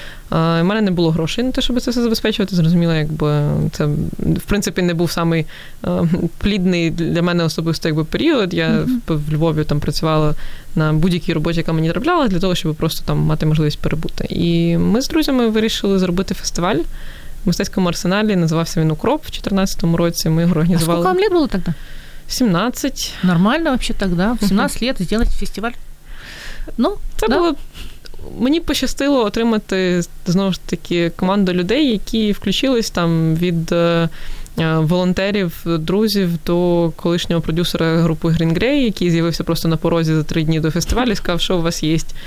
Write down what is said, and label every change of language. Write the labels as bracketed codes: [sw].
[uk] У мене не було грошей на те, щоб це все забезпечувати. Зрозуміло, якби це, в принципі, не був самий плідний для мене особисто якби, період. Я в Львові там працювала на будь-якій роботі, яка мені траплялася, для того, щоб просто там мати можливість перебути. І ми з друзями вирішили зробити фестиваль в мистецькому арсеналі. Називався він «Укроп» в 2014 році. Ми його організували. А скільки вам літ було тоді? 17. [ru] Нормально вообще тогда, в 17 лет сделати фестиваль. Ну, [uk] це [ru] да. [uk] було... Мені пощастило отримати, знову ж таки, команду людей, які включились там від волонтерів, друзів до колишнього продюсера групи Green Grey, який з'явився просто на порозі за 3 дні до фестивалю і сказав, що у вас є.